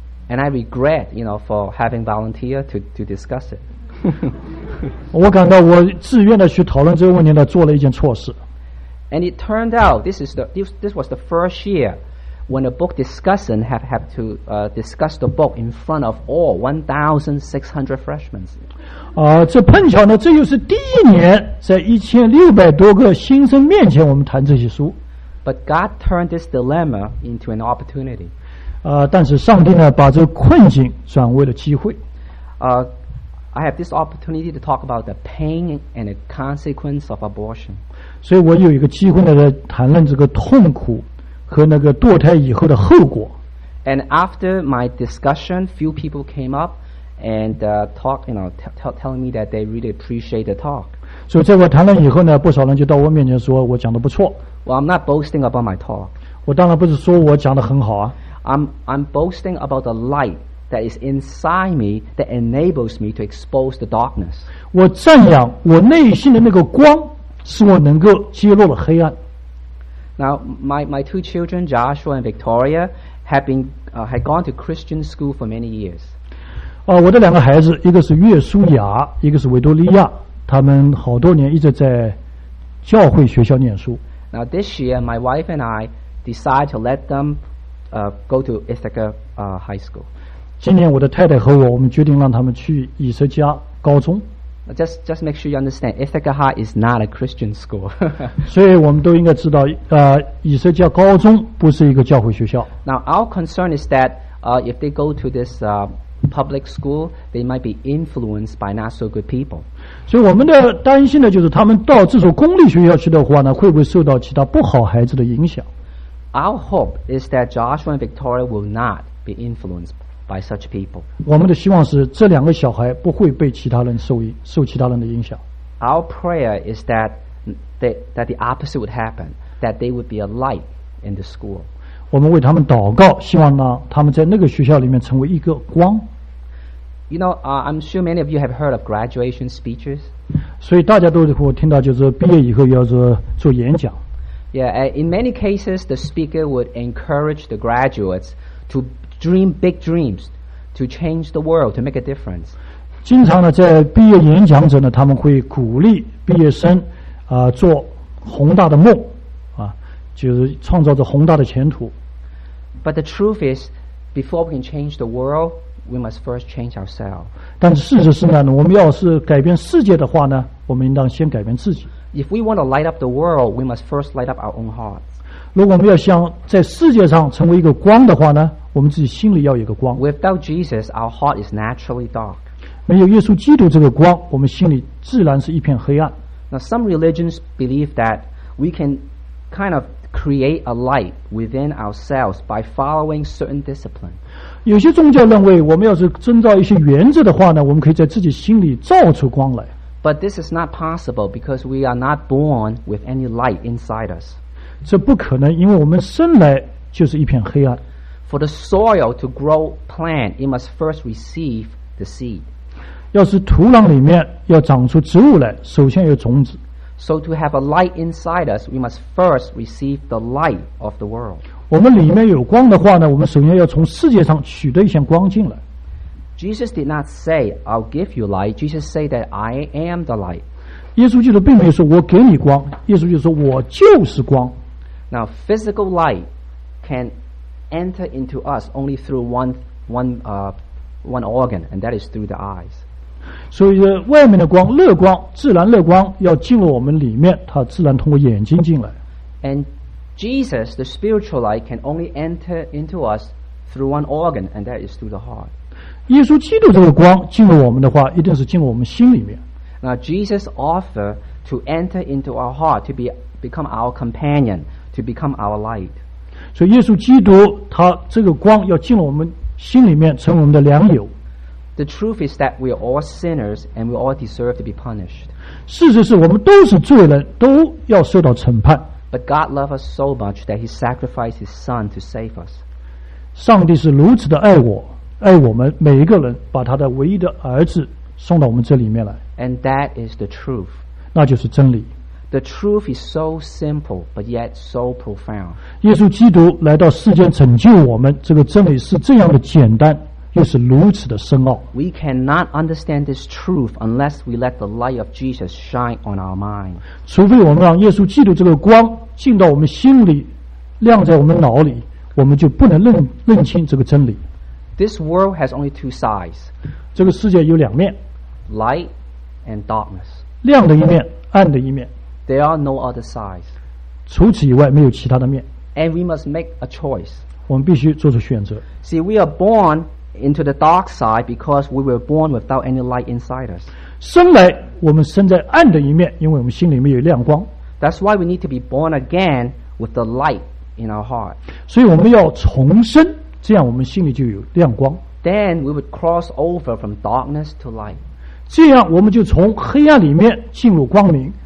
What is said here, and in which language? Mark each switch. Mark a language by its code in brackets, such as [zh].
[en] And I regret, you know, for having volunteered to discuss it. [zh] 我感到我自愿的去讨论这个问题呢，做了一件错事。 [en] And it turned out this was the first year when a book discussant have to discuss the book in front of all 1,600 freshmen. [zh] 这碰巧呢，这又是第一年在1,600多个新生面前我们谈这些书。 [en] But God turned this dilemma into an opportunity. [zh] 但是上帝呢，把这个困境转为了机会。 [en] I have this opportunity to talk about the pain and the consequence of abortion. [zh] 所以我有一个机会呢，来谈论这个痛苦和那个堕胎以后的后果。 [en] And after my discussion, few people came up and telling me that they really appreciate the talk. [zh] 所以在我谈论以后呢，不少人就到我面前说我讲得不错。 [en] Well, I'm not boasting about my talk. [zh] 我当然不是说我讲得很好啊。 [en] I'm boasting about the light that is inside me that enables me to expose the darkness. [zh] 我赞扬我内心的那个光，使我能够揭露了黑暗。 [en] Now, my two children, Joshua and Victoria, had gone to Christian school for many years. [zh] 我的两个孩子，一个是约书亚，一个是维多利亚，他们好多年一直在教会学校念书。 [en] Now, this year, my wife and I decided to let them go to Ithaca High School. [zh] 今年我的太太和我们决定让他们去以色迦高中。 [en] Just make sure you understand, Ithaca High is not a Christian school. [zh] 所以我们都应该知道，以色迦高中不是一个教会学校。 [en] Now our concern is that, if they go to this public school, they might be influenced by not so good people. [zh] 所以我们的担心呢，就是他们到这所公立学校去的话呢，会不会受到其他不好孩子的影响 [en] ？Our hope is that Joshua and Victoria will not be influenced. By such people. [zh] 我们的希望是这两个小孩不会被其他人受其他人的影响。 [en] Our prayer is that the opposite would happen, that they would be a light in the school. [zh] 我们为他们祷告，希望呢他们在那个学校里面成为一个光。 [en] You know, I'm sure many of you have heard of graduation speeches. [zh] 所以大家都会听到就是毕业以后要做演讲。 [en] Yeah, in many cases, the speaker would encourage the graduates to. Dream big dreams to change the world, to make a difference. [zh] 经常呢，在毕业演讲者呢，他们会鼓励毕业生，做宏大的梦，就是创造着宏大的前途。 [en] But the truth is, before we can change the world, we must first change ourselves. [zh] 但事实是呢，我们要是改变世界的话呢，我们应当先改变自己。 [en] If we want to light up the world, we must first light up our own heart. [zh] 如果我们要想在世界上成为一个光的话呢，我们自己心里要有一个光。 [en] Without Jesus, our heart is naturally dark. [zh] 没有耶稣基督这个光，我们心里自然是一片黑暗。 [en] Now some religions believe that we can kind of create a light within ourselves by following certain discipline. [zh] 有些宗教认为，我们要是遵照一些原则的话呢，我们可以在自己心里照出光来。 [en] But this is not possible because we are not born with any light inside us. [zh] 这不可能，因为我们生来就是一片黑暗。 [en] For the soil to grow plant, it must first receive the seed. [zh] 要是土壤里面要长出植物来，首先有种子。 [en] So to have a light inside us, we must first receive the light of the world. [zh] 我们里面有光的话呢，我们首先要从世界上取得一些光进来。 [en] Jesus did not say, I'll give you light. Jesus said that I am the light. [zh] 耶稣基督并没有说我给你光，耶稣就说我就是光。 [en] Now, physical light can enter into us only through one organ, and that is through the eyes. [zh] 所以外面的光，热光，自然热光要进入我们里面，它自然通过眼睛进来。 [en] And Jesus, the spiritual light, can only enter into us through one organ, and that is through the heart. [zh] 耶稣基督这个光进入我们的话，一定是进入我们心里面。 [en] Now Jesus offered to enter into our heart to become our companion, to become our light. [zh] 所以耶稣基督他这个光要进入我们心里面，成为我们的良友。 [en] The truth is that we are all sinners and we all deserve to be punished. [zh] 事实是我们都是罪人，都要受到审判。 [en] But God loved us so much that He sacrificed His Son to save us. [zh] 上帝是如此的爱我。爱我们每一个人，把他的唯一的儿子送到我们这里面来。 [en] And that is the truth. [zh] 那就是真理。 [en] The truth is so simple, but yet so profound. [zh] 耶稣基督来到世间拯救我们，这个真理是这样的简单，又是如此的深奥。 [en] We cannot understand this truth unless we let the light of Jesus shine on our mind. [zh] 除非我们让耶稣基督这个光进到我们心里，亮在我们脑里，我们就不能认清这个真理。 [en] This world has only two sides. [zh] 这个世界有两面。 [en] Light and darkness. [zh] 亮的一面，暗的一面。 [en] There are no other sides. [zh] 除此以外没有其他的面。 [en] And we must make a choice. [zh] 我们必须做出选择。 [en] See, we are born into the dark side because we were born without any light inside us. [zh] 生来我们生在暗的一面，因为我们心里面有亮光。 [en] That's why we need to be born again with the light in our heart. [zh] 所以我们要重生。这样我们心里就有亮光。 [en] Then we would cross over from darkness to light. [zh] 这样我们就从黑暗里面进入光明。